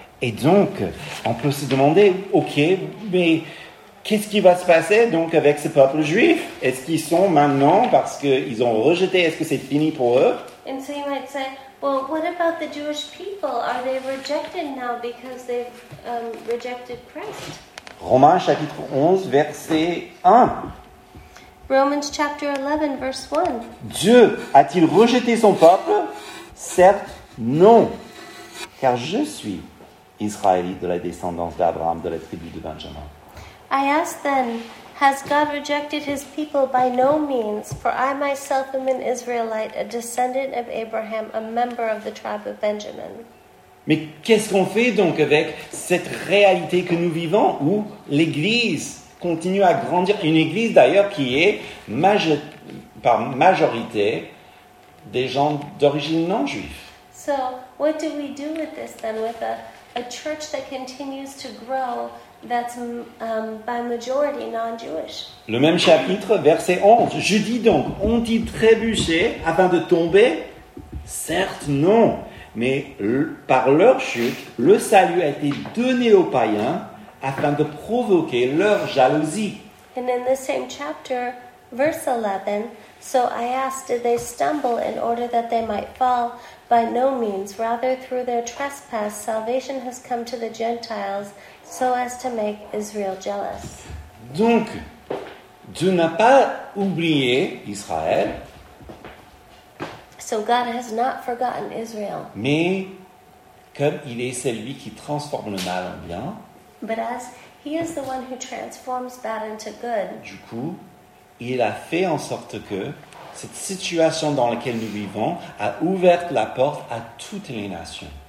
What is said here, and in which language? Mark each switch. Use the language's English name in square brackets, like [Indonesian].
[French] Et donc, on peut se demander, ok, mais qu'est-ce qui va se passer donc avec ce peuple juif? Est-ce qu'ils sont maintenant, parce qu'ils ont rejeté, est-ce que c'est fini pour eux? [English] And so you might say, well, what about the Jewish people? Are they rejected now because they've rejected Christ? [French] Romains chapitre 11, verset 1. [English] Romans chapter 11, verse 1. [French] Dieu a-t-il rejeté son peuple? Certes, non. Car je suis Israélite de la descendance d'Abraham, de la tribu de Benjamin. [English] I ask then, has God rejected his people? By no means, for I myself am an Israelite, a descendant of Abraham, a member of the tribe of Benjamin. [French] Mais qu'est-ce qu'on fait donc avec cette réalité que nous vivons, où l'Église continue à grandir, une Église d'ailleurs qui est par majorité des gens d'origine non-juive? [English] So, what do we do with this then, with a church that continues to grow, that's by majority non-Jewish? [French] Le même chapitre, verset 11. Je dis donc, ont-ils trébuché afin de tomber? Certes, non. Mais par leur chute, le salut a été donné aux païens afin de provoquer leur jalousie. [English] And in the same chapter, verse 11, so I asked, did they stumble in order that they might fall? By no means, rather through their trespass, salvation has come to the Gentiles so as to make Israel jealous. [French] Donc, Dieu n'a pas oublié Israël. [English] So God has not forgotten Israel. [French] Mais comme il est celui qui transforme le mal en bien. [English] But as he is the one who transforms bad into good. [French] Du coup, il a fait en sorte que cette situation dans laquelle nous vivons a ouvert la porte à toutes les nations.